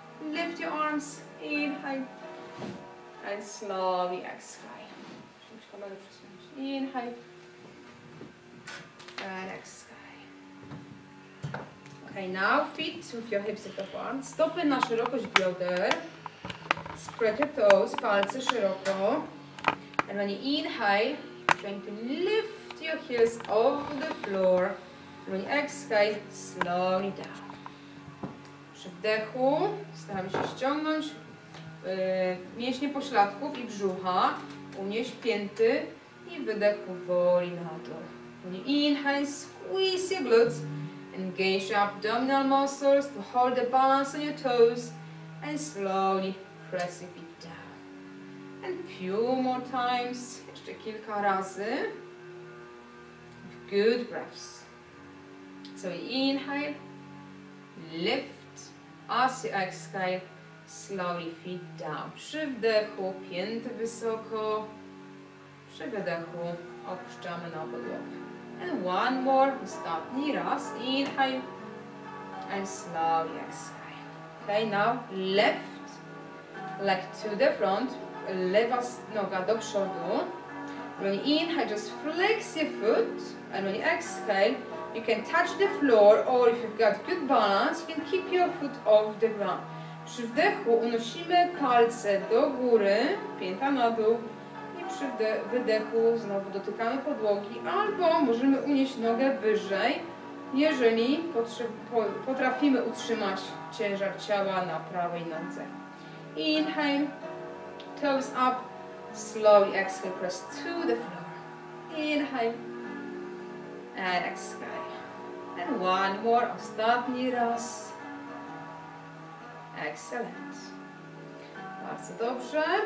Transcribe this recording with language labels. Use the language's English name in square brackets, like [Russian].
[English] Lift your arms, inhale. And slowly exhale. Inhale. And exhale. Okay, now feet with your hips apart. [Polish] Stopy na szerokość bioder. [English] Spread your toes, [Polish] palce szeroko. [English] And when you inhale, trying to lift your heels off the floor. When you exhale, slowly down. [Polish] Przy wdechu staramy się ściągnąć mięśnie pośladków i brzucha, unieść pięty i wydech powoli na dół. [English] When you inhale, squeeze your glutes. Engage your abdominal muscles to hold the balance on your toes and slowly press your feet down. And a few more times, [Polish] jeszcze kilka razy. [English] Good breaths. So inhale, lift, as you exhale, slowly feet down. [Polish] Przy wdechu, pięty wysoko. Przy wydechu, opuszczamy na podłogę. [English] And one more, [Polish] ostatni raz, [English] inhale, and slowly exhale. Okay, now left leg to the front, [Polish] lewa noga do przodu. [English] When you inhale, just flex your foot, and when you exhale, you can touch the floor, or if you've got good balance, you can keep your foot off the ground. [Polish] Przy wdechu unosimy palce do góry, pięta na dół. Przy wydechu znowu dotykamy podłogi, albo możemy unieść nogę wyżej, jeżeli potrafimy utrzymać ciężar ciała na prawej nodze. [English] Inhale, toes up, slowly exhale, press to the floor. Inhale, and exhale. And one more, [Polish] ostatni raz. [English] Excellent. [Polish] Bardzo dobrze.